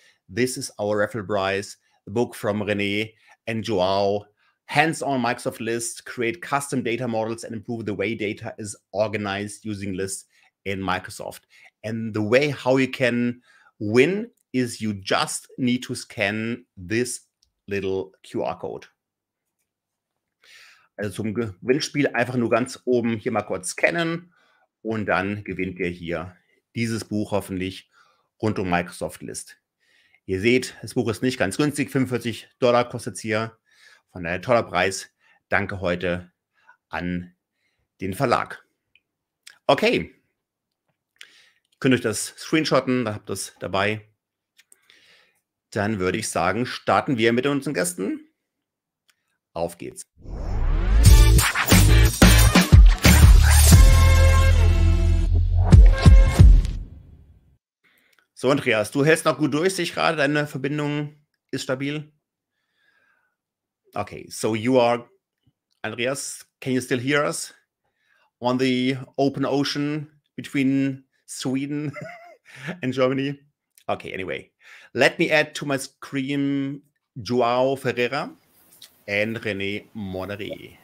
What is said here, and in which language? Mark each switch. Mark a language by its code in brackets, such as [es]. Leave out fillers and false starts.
[en] This is our raffle prize, the book from René and Joao, Hands-on Microsoft Lists, Create Custom Data Models and Improve the Way Data is Organized Using Lists in Microsoft. And the way how you can win is you just need to scan this little QR code. [de] Also zum Gewinnspiel einfach nur ganz oben hier mal kurz scannen und dann gewinnt ihr hier dieses Buch hoffentlich rund um Microsoft List. Ihr seht, das Buch ist nicht ganz günstig, $45 kostet es hier, von daher toller Preis. Danke heute an den Verlag. Okay, ihr könnt euch das screenshotten, da habt ihr es dabei. Dann würde ich sagen, starten wir mit unseren Gästen. Auf geht's. So, Andreas, du hältst noch gut durch, sehe ich gerade, deine Verbindung ist stabil. [en] Okay, so you are, Andreas, can you still hear us on the open ocean between Sweden and Germany? Okay, anyway, let me add to my screen Joao Ferreira and René Modary.